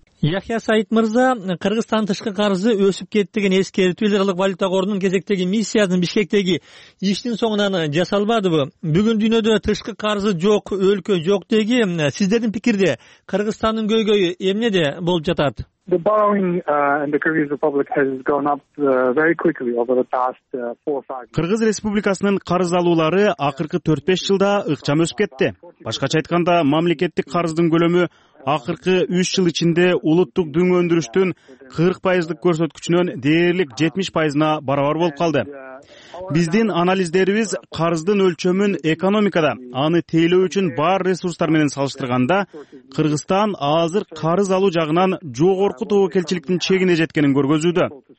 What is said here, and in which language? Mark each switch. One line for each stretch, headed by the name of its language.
Kyrgyz: Яхия Саид мырза, Кыргызстан тышкы карызы өсүп кетти деген эскертүү эл аралык валюта корунун кезектеги миссиясынын Бишкектеги иштин соңунан жасалбадыбы? Бүгүн дүйнөдө тышкы карызы жок өлкө жок деги, сиздердин пикирде Кыргызстандын көйгөйү эмнеде болуп жатат?
English: The borrowing in the Kyrgyz Republic has gone up very quickly over the past 4-5.
Kyrgyz: Кыргыз Республикасынын карыз алуулары акыркы 4-5 жылда ыкчам өсүп кетти. Башкача айтканда, мамлекеттик карыздын көлөмү акыркы 3 жыл ичинде улуттук дүң өндүрүштүн 40% көрсөткүчүнөн дээрлик 70% барабар болуп калды. Биздин анализдерибиз карыздын өлчөмүн экономикада аны тейлөө үчүн бар ресурстар менен салыштырганда Кыргызстан азыр карыз алуу жагынан жогорку тобокелчиликтин чегине жеткенин көргөзүүдө.